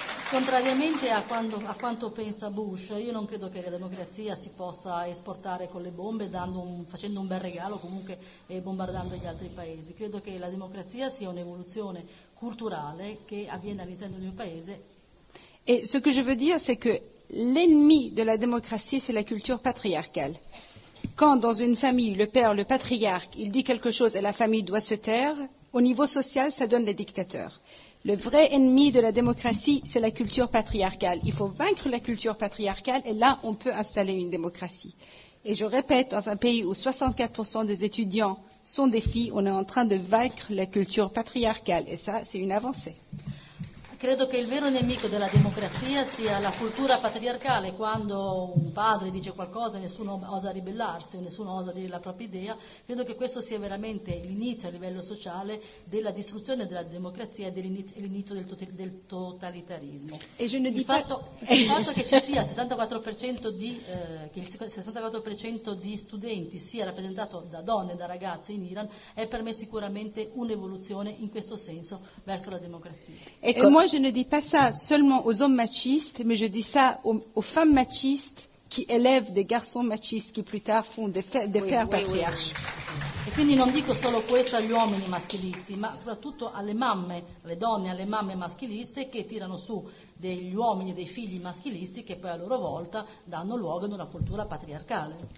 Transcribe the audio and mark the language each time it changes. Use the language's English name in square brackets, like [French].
[Italian] Contrariamente a quanto pensa Bush, io non credo che la democrazia si possa esportare con le bombe, facendo un bel regalo comunque e bombardando gli altri paesi. Credo che la democrazia sia un'evoluzione culturale che avviene all'interno di un paese. [French] E ce que je veux dire, c'est que l'ennemi de la démocratie, c'est la culture patriarcale. Quand dans une famille, le père, le patriarche, il dit quelque chose et la famille doit se taire, au niveau social, ça donne les dictateurs. Le vrai ennemi de la démocratie, c'est la culture patriarcale. Il faut vaincre la culture patriarcale et là, on peut installer une démocratie. Et je répète, dans un pays où 64% des étudiants sont des filles, on est en train de vaincre la culture patriarcale. Et ça, c'est une avancée. [Italian] Credo che il vero nemico della democrazia sia la cultura patriarcale. Quando un padre dice qualcosa, nessuno osa ribellarsi, nessuno osa dire la propria idea. Credo che questo sia veramente l'inizio a livello sociale della distruzione della democrazia e dell'inizio del totalitarismo. [French] E je ne dis pas... [Italian] il fatto che ci sia 64% che il 64% di studenti sia rappresentato da donne e da ragazze in Iran è per me sicuramente un'evoluzione in questo senso verso la democrazia. [French] Moi, je ne dis pas ça seulement aux hommes machistes, mais je dis ça aux femmes machistes qui élèvent des garçons machistes qui plus tard font des pères patriarches. Et [Italian] quindi non dico solo questo agli uomini maschilisti, ma soprattutto alle mamme, alle donne, alle mamme maschiliste che tirano su degli uomini e dei figli maschilisti che poi a loro volta danno luogo ad una cultura patriarcale.